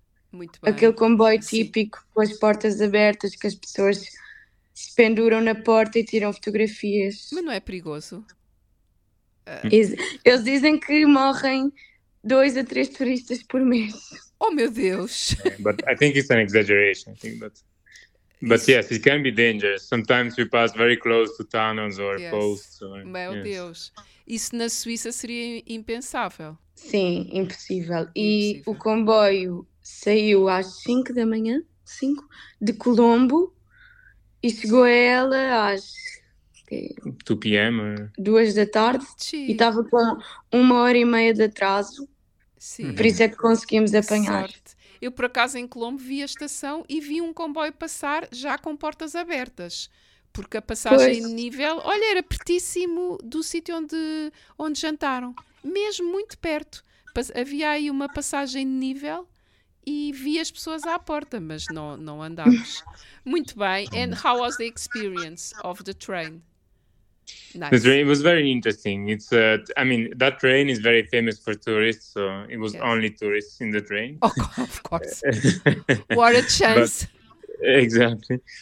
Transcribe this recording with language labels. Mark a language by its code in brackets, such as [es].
[pt] Muito bem. Aquele comboio típico, com as portas abertas, que as pessoas se penduram na porta e tiram fotografias. Mas não é perigoso? Eles dizem que morrem 2 a 3 turistas por mês. Oh, meu Deus! [en] But I think it's an exaggeration. I think but yes, it can be dangerous. Sometimes we pass very close to tunnels or posts. Or, [pt] meu [en] yes. [pt] Deus! Isso na Suíça seria impensável. Sim, impossível. E o comboio saiu às 5 da manhã, 5, de Colombo, e chegou a ela às [en] 2 p.m. [pt] 2 da tarde. Sim. E estava com 1 hora e meia de atraso. Sim. Por isso é que conseguimos apanhar. Sorte. Eu, por acaso, em Colombo vi a estação e vi um comboio passar já com portas abertas. Porque a passagem de nível, olha, era pertíssimo do sítio onde jantaram. Mesmo muito perto. Havia aí uma passagem de nível e vi as pessoas à porta, mas não andámos. Muito bem. [en] And how was the experience of the train? Nice. The train, it was very interesting. It's I mean, that train is very famous for tourists, so it was only tourists in the train. Oh, of course. What a chance. Exactly.